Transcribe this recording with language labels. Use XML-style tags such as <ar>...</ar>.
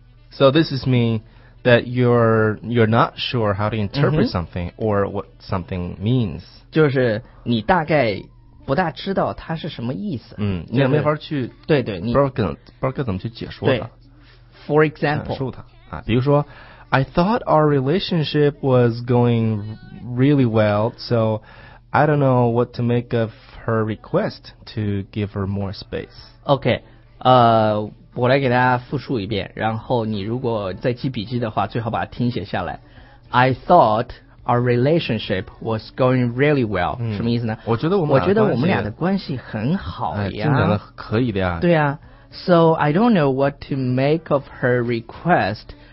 <en>So this is mean that you're not sure how to interpret、嗯、 something or what something means，</en> <zh>就是你大概不大知道它是什么意思。嗯，你也没法去对对你不知道怎么去解说它。</zh> <en>For example</en> <zh>说它、比如说</zh> <en>I thought our relationship was going really well, so I don't know what to make of her request to give her more space.</en> <zh>Okay, 我来给大家复述一遍，然后你如果在记笔记的话，最好把它听写下来。</zh> <en>I thought our relationship was going really well.、嗯、</en> <zh>什么意思呢？我觉得我们俩的关系很好呀，进展的可以的呀。对呀、</zh> <en>So I don't know what to make of her request.</en>